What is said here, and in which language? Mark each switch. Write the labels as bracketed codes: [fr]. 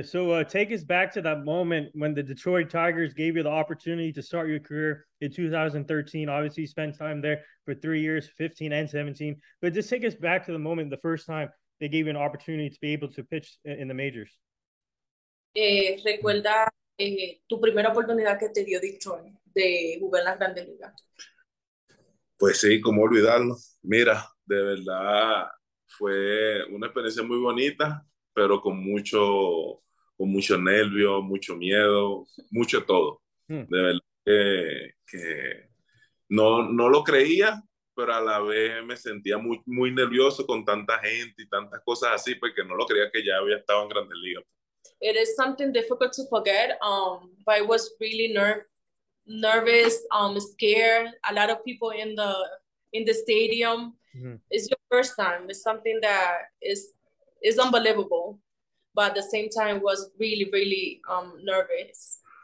[en] So take us back to that moment when the Detroit Tigers gave you the opportunity to start your career in 2013. Obviously, you spent time there for 3 years, 15 and 17. But just take us back to the moment the first time they gave you an opportunity to be able to pitch in the majors. [es] Recuerda tu primera oportunidad que te dio Detroit de jugar en la Grande Liga. Pues sí, cómo olvidarlo. Mira, de verdad fue una experiencia muy bonita, pero con mucho nervio, mucho miedo, mucho todo. De verdad que no lo creía, pero a la vez me sentía muy, muy nervioso con tanta gente y tantas cosas así, porque no lo creía que ya había estado en Grandes Ligas. [en] It is something difficult to forget, but I was really nervous, scared. A lot of people in the stadium. Mm-hmm. It's your first time. It's something that is unbelievable, but at the same time was really, really nervous.